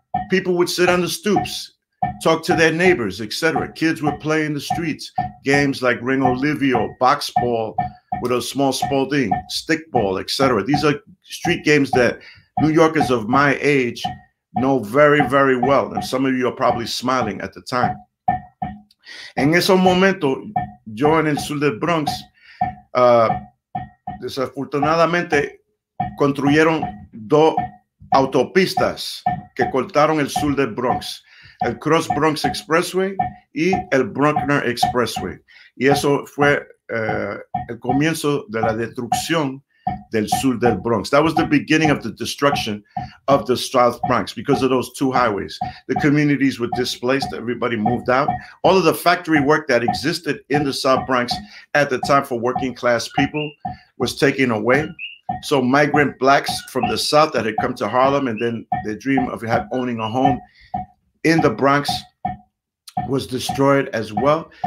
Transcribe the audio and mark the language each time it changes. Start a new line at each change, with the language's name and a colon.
English: People would sit on the stoops, talk to their neighbors, etc. Kids would play in the streets, games like Ring Olivio, box ball with a small Spalding, stickball, etc. These are street games that New Yorkers of my age know very, very well. And some of you are probably smiling at the time.
Spanish: En ese momento, yo en el sur del Bronx, desafortunadamente, construyeron dos autopistas que cortaron el sur del Bronx. El Cross Bronx Expressway y el Bruckner Expressway. Y eso fue el comienzo de la destrucción del sur del Bronx.
English: That was the beginning of the destruction of the South Bronx because of those two highways. The communities were displaced. Everybody moved out. All of the factory work that existed in the South Bronx at the time for working class people was taken away. So migrant blacks from the South that had come to Harlem and then their dream of owning a home in the Bronx was destroyed as well.